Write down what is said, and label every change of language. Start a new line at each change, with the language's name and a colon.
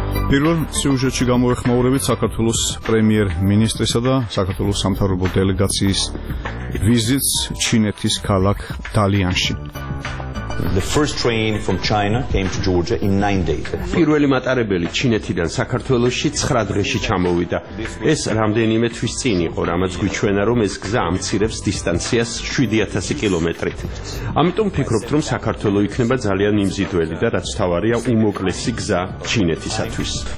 Georgian: პირველ სიუჟეტში გამოეხმაურებით საქართველოს პრემიერ-მინისტრისა და საქართველოს სამთავრობო დელეგაციის ვიზიტს ჩინეთის ქალაქ დალიანში.
English: The first train from China came to Georgia in 9 days.
Georgian: პირველი მატარებელი ჩინეთიდან საქართველოში 9 დღეში ჩამოვიდა. ეს რამდენიმე თვის წინ იყო, რამაც გვიჩვენა, რომ ეს გზა ამცირებს დისტანციას 7000 კილომეტრით. ამიტომ ვფიქრობთ, რომ საქართველო იქნება ძალიან იმზიდველი და რაც თავარია, უმოკლესი გზა ჩინეთისათვის.